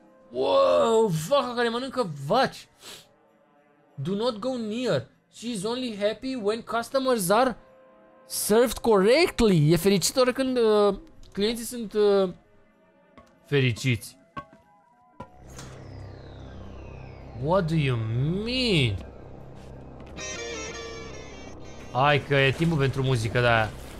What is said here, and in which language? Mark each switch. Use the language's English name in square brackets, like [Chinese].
[Romanian] Wow, vaca care mănâncă vaci! [English] Do not go near! She is only happy when customers are... Served correctly. [Romanian] E fericit oră când clienții sunt fericiți. [English] What do you mean? [Romanian] Hai că e timpul pentru muzică de-aia.